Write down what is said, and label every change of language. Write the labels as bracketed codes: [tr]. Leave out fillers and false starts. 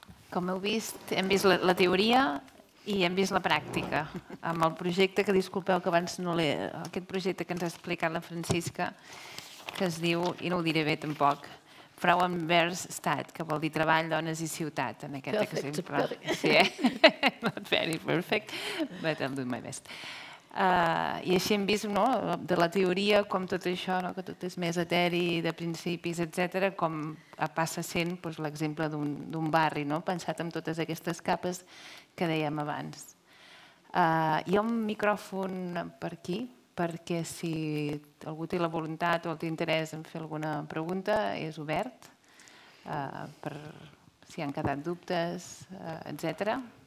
[ca] Com heu vist, hem vist la teoria i hem vist la pràctica amb el projecte que, disculpeu que abans no l'he... Aquest projecte que ens ha explicat la Francisca, que es diu, i no ho diré bé tampoc, Frauenverstadt, que vol dir treball, dones I ciutat, en aquest [en] perfect. [ca] Exemple. [en] Sí, not very perfect, but I'll do my best. [ca] I així hem vist, no, de la teoria, com tot això, no, que tot és més eteri, de principis, etc, com passa sent doncs, l'exemple d'un barri, no, pensat en totes aquestes capes que dèiem abans. Hi ha un micròfon per aquí, perquè si algú té la voluntat o té interès en fer alguna pregunta, és obert, per si han quedat dubtes, etc.